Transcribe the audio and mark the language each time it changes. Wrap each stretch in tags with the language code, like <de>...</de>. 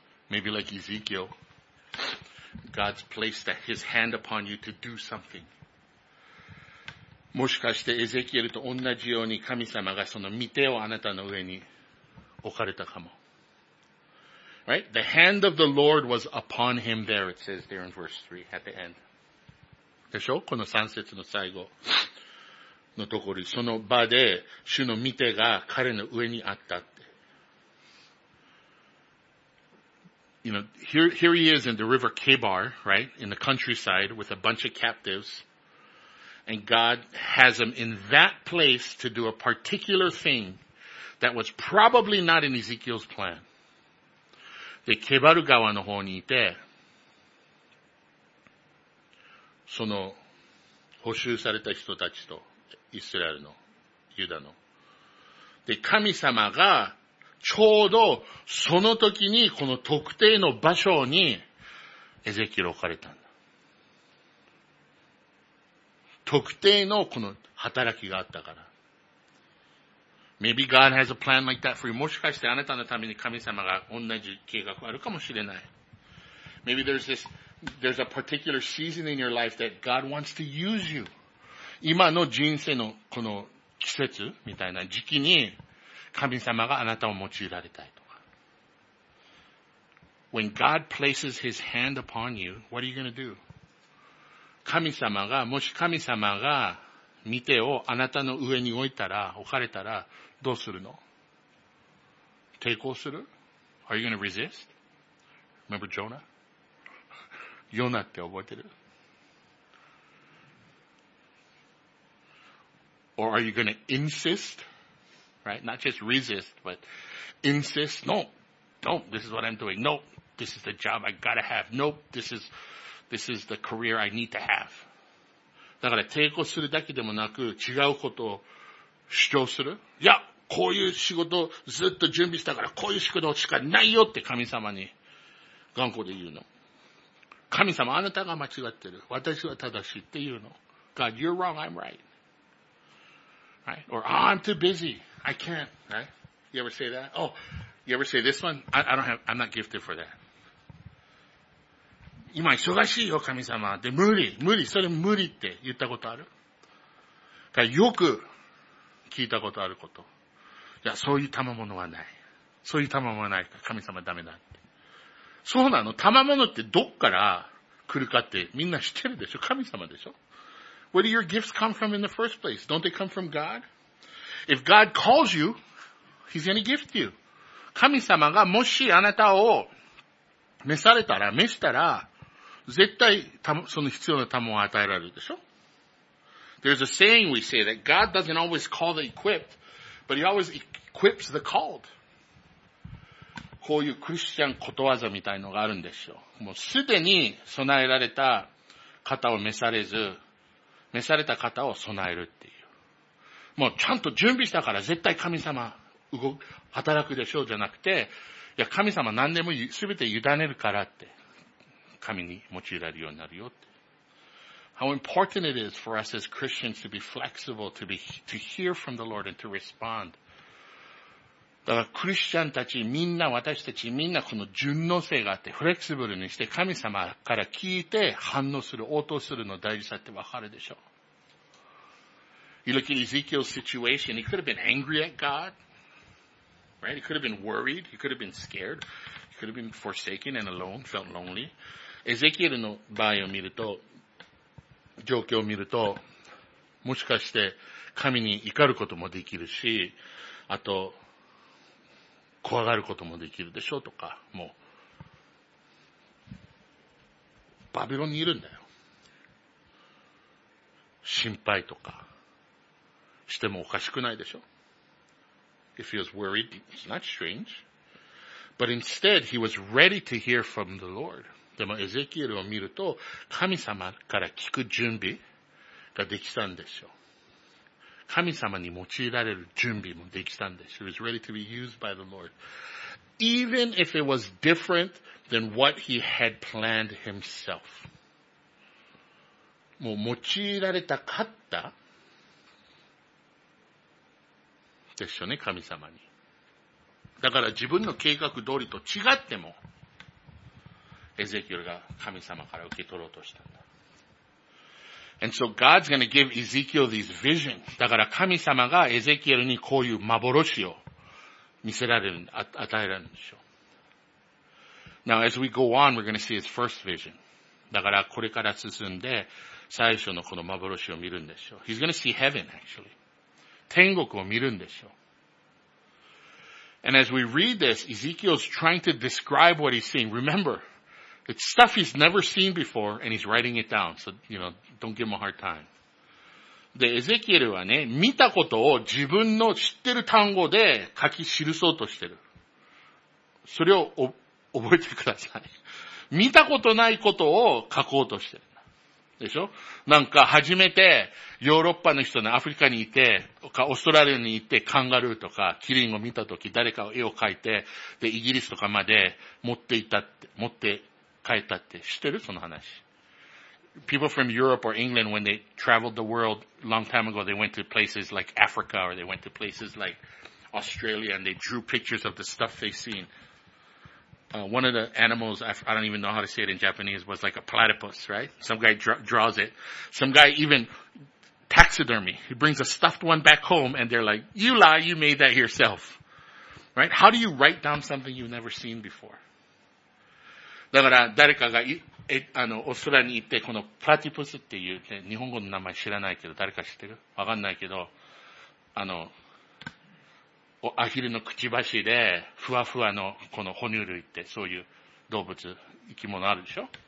<en>Maybe like Ezekiel, God's placed his hand upon you to do something.</en> <ja>もしかしてエゼキエルと同じように神様がその御手をあなたの上に置かれたかも。</ja> <en>Right? The hand of the Lord was upon him there, it says there in verse 3 at the end.</en> <ja>でしょ? この3節の最後のところに、その場で主の御手が彼の上にあったって。</ja> <en>You know, here he is in the river Kabar, right? In the countryside with a bunch of captives. And God has him in that place to do a particular thing that was probably not in Ezekiel's plan.</en> <ja>で、ケバル川の方にいて、その、捕囚された人たちと、イスラエルの、ユダの。で、神様が、ちょうど、その時に、この特定の場所に、エゼキエル置かれたんだ。特定の、この、働きがあったから。</ja> <en>Maybe God has a plan like that for you.</en> <ja>もしかして、あなたのために神様が同じ計画あるかもしれない。</ja> <en>Maybe there's this,There's a particular season in your life that God wants to use you.</en> <ja>今の人生のこの季節みたいな時期に神様があなたを用いられたいとか。</ja> <en>When God places His hand upon you, what are you going to do?</en> <ja>神様が、もし神様が御手をあなたの上に置いたら、置かれたらどうするの? 抵抗する?</ja> <en>Are you going to resist? Remember Jonah?</en> <ja>ヨナって覚えてる?</ja> <en>Or are you going to insist? Right? Not just resist, but insist. No, don't. This is what I'm doing. Nope. This is the job I gotta have. Nope. This is the career I need to have.</en> <ja>だから抵抗するだけでもなく違うことを主張する。いや、こういう仕事ずっと準備したからこういう仕事しかないよって神様に頑固で言うの。神様、あなたが間違ってる。私は正しいっていうの。</ja> <en>God, you're wrong, I'm right. Right? Or, oh, I'm too busy. I can't. Right? You ever say that? Oh, you ever say this one? I'm not gifted for that.</en> <ja>今忙しいよ、神様。で、無理。それ無理って言ったことある?だからよく聞いたことあること。いや、そういう賜物はない。そういう賜物はない。神様ダメだ。そうなの? 賜物ってどっから来るかってみんな知ってるでしょ? 神様でしょ?</ja> <en>Where do your gifts come from in the first place? Don't they come from God? If God calls you, He's going to gift you.</en> <ja>神様がもしあなたを召したら、絶対その必要な賜物を与えられるでしょ?</ja> <en>There's a saying we say that God doesn't always call the equipped, but He always equips the called.</en> <ja>こういうクリスチャンことわざみたいのがあるんですよ。もうすでに備えられた方を召された方を備えるっていう。もうちゃんと準備したから絶対神様働くでしょうじゃなくて、いや神様何でもすべて委ねるからって、神に用いられるようになるよって。</ja> <en>How important it is for us as Christians to be flexible, to hear from the Lord and to respond.</en> <ja>だからクリスチャンたちみんな私たちみんなこの順応性があってフレキシブルにして神様から聞いて反応する応答するの大事さってわかるでしょう。</ja> <en>You look at Ezekiel's situation. He could have been angry at God, right? He could have been worried. He could have been scared. He could have been forsaken and alone, felt lonely.</en> <ja>Ezekiel の場合を見ると、状況を見ると、もしかして神に怒ることもできるし、あと、怖がることもできるでしょうとか、もう、バビロンにいるんだよ。心配とか、してもおかしくないでしょ。</ja> <en>He feels worried, it's not strange. But instead, he was ready to hear from the Lord.</en> <ja>でも、エゼキエルを見ると、神様から聞く準備ができたんですよ。神様に用いられる準備もできたんです。</ja> <en>He was ready to be used by the Lord. Even if it was different than what he had planned himself.</en> <ja>もう用いられたかったですよね、神様に。だから自分の計画通りと違っても、エゼキエルが神様から受け取ろうとしたんだ。</ja> <en>And so God's gonna give Ezekiel these visions.</en> <ja>だから神様がエゼキエルにこういう幻を見せられる、与えられるんでしょう。</ja> <en>Now as we go on, we're gonna see his first vision.</en> <ja>だからこれから進んで最初のこの幻を見るんでしょう。</ja> <en>He's gonna see heaven actually.</en> <ja>天国を見るんでしょう。</ja> <en>And as we read this, Ezekiel's trying to describe what he's seeing. Remember,It's stuff he's never seen before, and he's writing it down. So, you know, don't give him a hard time.</en> <ja>で、エゼキエルはね、見たことを自分の知ってる単語で書き記そうとしてる。それを覚えてください。見たことないことを書こうとしてる。でしょ? なんか初めてヨーロッパの人のアフリカにいて、かオーストラリアに行ってカンガルーとかキリンを見たとき、誰か絵を描いて、で、イギリスとかまで持っていたって、持って、変えたって知ってるその話。</ja> <en>People from Europe or England, when they traveled the world long time ago, they went to places like Africa or they went to places like Australia and they drew pictures of the stuff they seen. One of the animals, I don't even know how to say it in Japanese, was like a platypus, right? Some guy draws it. Some guy even taxidermy. He brings a stuffed one back home and they're like, you lie, you made that yourself. Right? How do you write down something you've never seen before?</en> <ja>だから、誰かが、オーストラリアに行って、このプラティプスっていう、ね、日本語の名前知らないけど、誰か知ってる? わかんないけど、アヒルのくちばしで、ふわふわの、この哺乳類って、そういう動物、生き物あるでしょ?</ja>